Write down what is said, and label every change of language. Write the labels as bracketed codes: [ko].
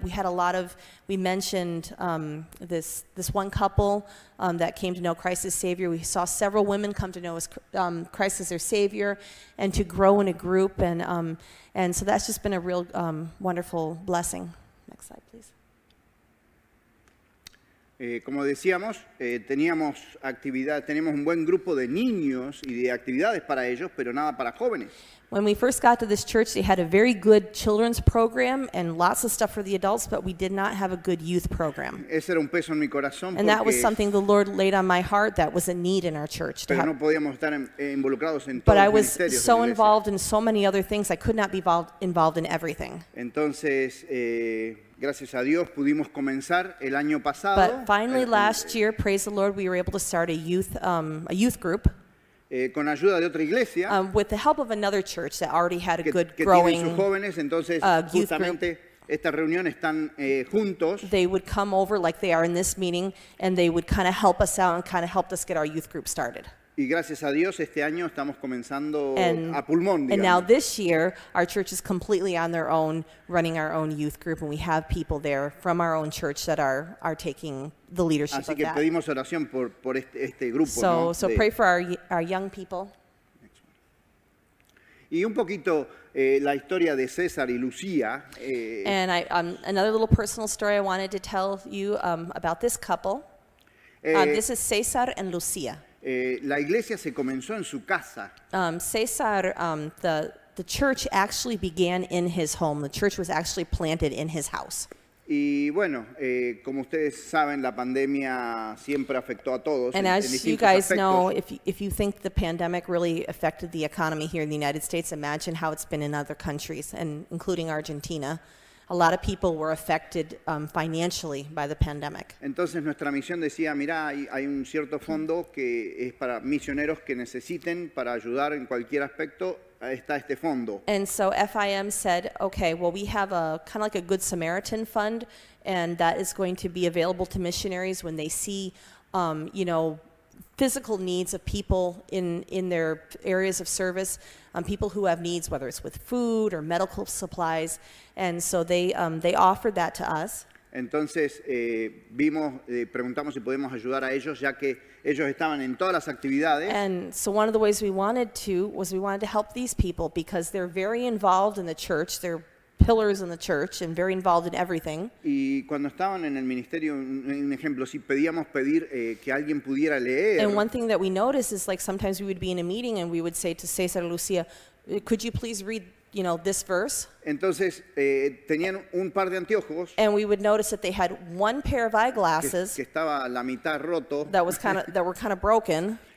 [en] We had a lot of, we mentioned this one couple that came to know Christ as Savior. We saw several women come to know Christ as their Savior and to grow in a group. And so that's just been a real wonderful blessing. Next slide, please. [es] Como decíamos, teníamos actividad, tenemos un buen grupo de niños y de actividades para ellos, pero nada para jóvenes. [en] When we first got to this church, they had a very good children's program and lots of stuff for the adults, but we did not have a good youth program. [es] Ese era un peso en mi corazón. [en] And that was something the Lord laid on my heart that was a need in our church. [es] No podíamos estar involucrados en todos [en] but I was so involved in so many other things, I could not be involved in everything. [es] Entonces, gracias a Dios, pudimos comenzar el año pasado. [en] But finally, last year, praise the Lord, we were able to start a youth group. [es] Con ayuda de otra iglesia, [en] with the help of another church that already had a good [es] que [en] growing [es] tienen sus jóvenes, entonces, [en] youth [es] justamente, [en] group. [es] Esta reunión están, juntos. [en] They would come over like they are in this meeting and they would kind of help us out and kind of helped us get our youth group started. [es] Y gracias a Dios, este año estamos comenzando a pulmón, digamos. [en] And now this year, our church is completely on their own, running our own youth group, and we have people there from our own church that are taking the leadership [es] Así que [en] of that. [es] Pedimos oración por este grupo, [en] so, [es] ¿no? [en] So pray for our young people. [es] Y un poquito la historia de César y Lucía. [en] And I, another little personal story I wanted to tell you about this couple. This is César and Lucía. [es] La iglesia se comenzó en su casa. [en] César, the church actually began in his home. The church was actually planted in his house. [es] Y bueno, como ustedes saben, la pandemia siempre afectó a todos. [en] And [es] en, [en] as [es] en [en] you guys [es] aspectos. [en] Know, if you think the pandemic really affected the economy here in the United States, imagine how it's been in other countries, and including Argentina. A lot of people were affected financially by the pandemic. [es] Entonces nuestra misión decía, mira, hay un cierto fondo que es para misioneros que necesiten para ayudar en cualquier aspecto, está este fondo. [en] And so FIM said, okay, well, we have a kind of like a Good Samaritan fund, and that is going to be available to missionaries when they see, you know, physical needs of people in their areas of service, people who have needs, whether it's with food or medical supplies, and so they offered that to us. [es] Entonces vimos, preguntamos si podemos ayudar a ellos ya que ellos estaban en todas las actividades. [en] And so one of the ways we wanted to was we wanted to help these people because they're very involved in the church. They're pillars in the church and very involved in everything. [es] Y cuando estaban en el ministerio, un ejemplo, si pedíamos pedir que alguien pudiera leer. [en] And one thing that we noticed is like sometimes we would be in a meeting and we would say to César Lucía, could you please read, you know, this verse? [es] Entonces, tenían un par de anteojos. [en] And we would notice that they had one pair of eyeglasses [es] que estaba a la mitad roto. [en] That was kind of, that were kind of broken.